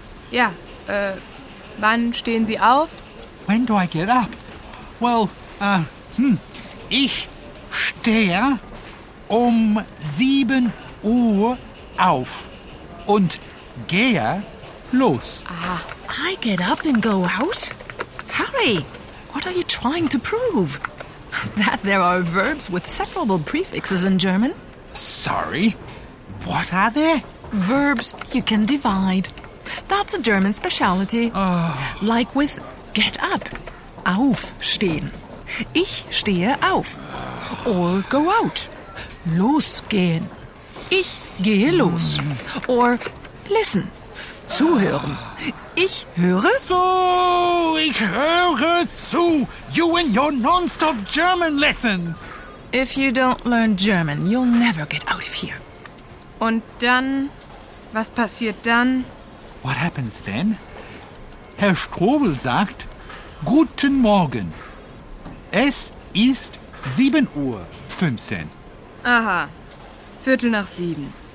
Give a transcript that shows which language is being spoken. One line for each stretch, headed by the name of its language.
German: Ja, wann stehen Sie auf?
English: When do I get up?
German: Well, ich stehe um 7 Uhr auf und gehe los.
English: I get up and go out? Harry, what are you trying to prove? That there are verbs with separable prefixes in German? Sorry? What are they? Verbs you can divide. That's a German speciality. Oh. Like with get up, aufstehen.
German: Ich stehe auf.
English: Or go out,
German: losgehen. Ich gehe los.
English: Or listen,
German: zuhören. Ich höre... So, ich höre zu.
English: You and your non-stop German lessons. If you don't learn German, you'll never get out of here.
German: Und dann, was passiert dann?
English: What happens then?
German: Herr Strobel sagt, guten Morgen. Es ist 7 Uhr 15. Aha, 7:15.